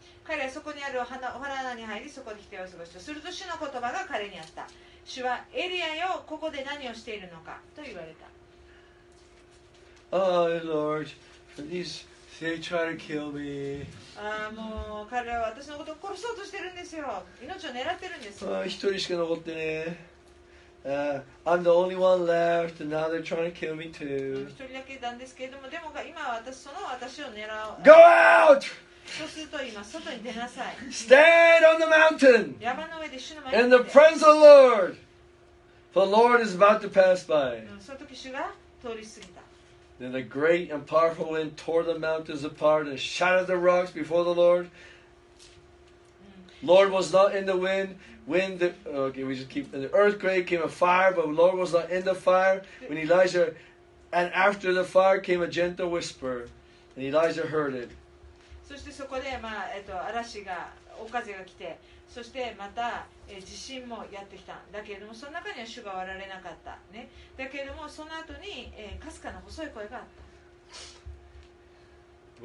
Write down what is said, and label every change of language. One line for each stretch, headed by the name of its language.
Japanese: 彼はそこにあるお花、お花穴に入り、そこで一夜を過ごした。すると主の言葉が彼にあった。主はエリアよ、ここで何をしているのかと言われた。
English: Oh, Lord, please, they try to kill me.
Japanese: ああ、もう彼らは私のことを殺そうとしてるんですよ。命を狙ってるんですよ。一人しか残ってね。
English: I'm the only one left, and now they're trying to kill me too.
Japanese: 一人だけなんですけれども、でも今私その私を狙う。
English: Go out!
Japanese: そうすると今外に出なさい。
English: Stand on the mountain.
Japanese: 山の上で主の前
English: に。In the presence of the Lord, for the Lord is about to pass by.
Japanese: その時主が通り過ぎた。
English: Then the great and powerful wind tore the mountains apart and shattered the rocks before the Lord. Lord was not in the wind. The earthquake came a fire, but the Lord was not in the fire. When Elijah, and after the fire came a gentle whisper, and Elijah heard it.
Japanese: そしてそこで、嵐が、お風が来て、そしてまた、地震もやってきた。だけれども、その中には主がおられなかった。ね、だけれども、その後に、かすかな細い声があった。